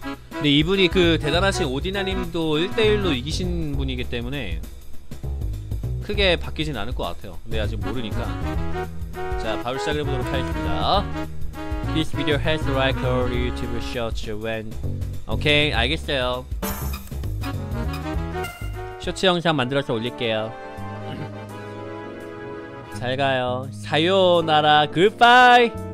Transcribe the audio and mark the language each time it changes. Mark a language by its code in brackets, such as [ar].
[ko] 근데 이분이 그 대단하신 오디나님도 1대1로 이기신 분이기 때문에 크게 바뀌진 않을 것 같아요. 근데 아직 모르니까. 자 바로 시작을 해보도록 하겠습니다. [en] This video has like a YouTube short when... [ko] 오케이 알겠어요. 쇼츠 영상 만들어서 올릴게요. 잘가요. 사요나라 굿바이.